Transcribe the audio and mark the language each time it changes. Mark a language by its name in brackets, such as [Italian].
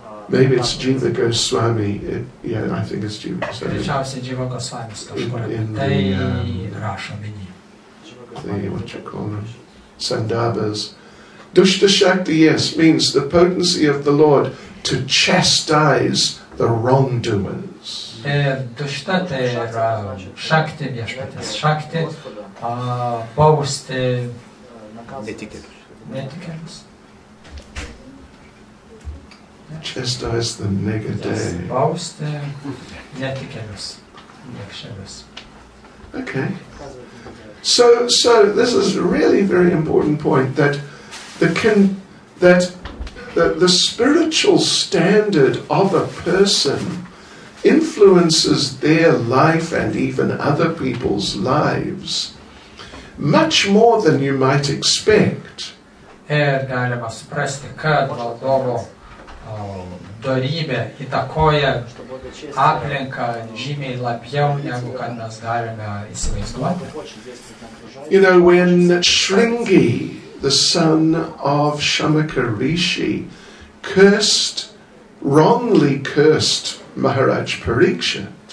[English] Maybe it's Jiva Goswami, I think it's Jiva Goswami. [Lithuanian] Greičiausiai Jiva Goswami kažkur apie tai rašo vieni. [English] The, what you call them, Sandhavas. Dushta Shakti, yes, means the potency of the Lord to chastise the wrongdoers. [Lithuanian] Dushta tai yra Shakti, viešpatės Shakti, bausti netikėlius. [English] Chastise the negative. [Lithuanian] Bausti netikėlius, niekšelius. [English] Okay. So this is really very important point that the spiritual standard of a person influences their life and even other people's lives much more than you might expect. [Lithuanian] Ir galima suprasti, kad valdovo dorybė įtakoja aplinką žymiai labiau, negu kad mes galime įsivaizduoti. [English] You know, when Sringi, the son of Shamaka Rishi, wrongly cursed Maharaj Parikshit.